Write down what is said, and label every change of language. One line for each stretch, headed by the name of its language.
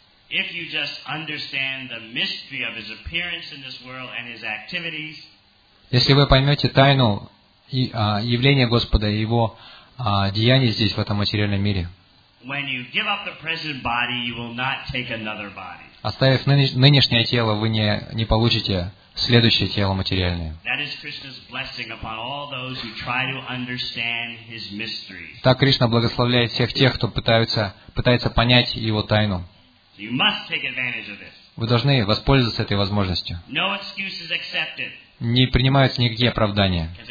English: If you just understand the mystery of his appearance in this world and his activities,
Russian: если вы поймете тайну явления Господа и его деяний здесь в этом материальном мире,
English: when you give up the present body, you will not take another body.
Russian: Оставив нынешнее тело, вы не получите следующее тело материальное.
English: That is Krishna's blessing upon all those who try to understand his mystery.
Russian: Так Кришна благословляет всех тех, кто пытается понять его тайну.
English: You must take advantage of this.
Russian: Вы должны воспользоваться этой возможностью.
English: No excuses accepted.
Russian: Не принимаются никакие оправдания.